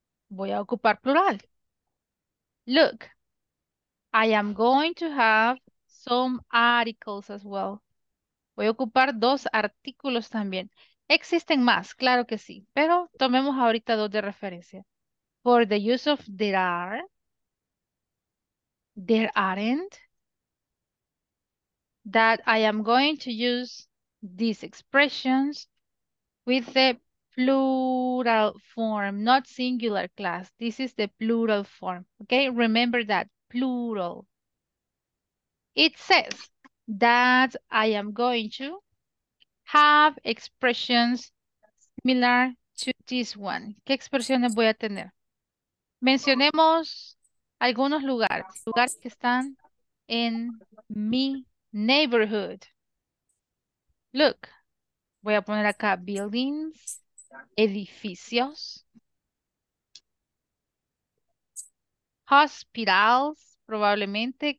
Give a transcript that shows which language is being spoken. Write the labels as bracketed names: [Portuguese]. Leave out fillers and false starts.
[Spanish] Voy a ocupar plural. [English] Look, I am going to have some articles as well. [Spanish] Voy a ocupar 2 artículos también. Existen más, claro que sí, pero tomemos ahorita 2 de referencia. [English] For the use of there aren't, that I am going to use these expressions with the plural form, not singular class. This is the plural form. Okay, remember that, plural. It says that I am going to have expressions similar to this one. [Spanish] ¿Qué expresiones voy a tener? Mencionemos algunos lugares que están en mi neighborhood. Look, voy a poner acá buildings, edificios, hospitals, probablemente.